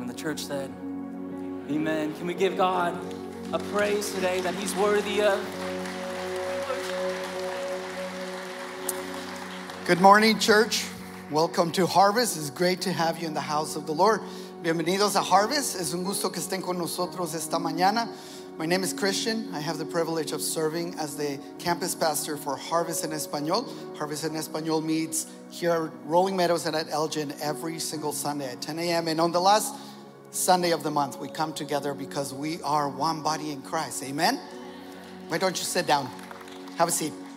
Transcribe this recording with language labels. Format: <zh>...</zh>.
<en>And the church said, amen. Can we give God a praise today that he's worthy of? Good morning, church. Welcome to Harvest. It's great to have you in the house of the Lord.</en> <es>Bienvenidos a Harvest. Es un gusto que estén con nosotros esta mañana.</es> <en>My name is Christian. I have the privilege of serving as the campus pastor for Harvest en Español. Harvest en Español meets here at Rolling Meadows and at Elgin every single Sunday at 10 a.m. And on the last Sunday of the month, we come together because we are one body in Christ. Amen? Why don't you sit down? Have a seat.</en>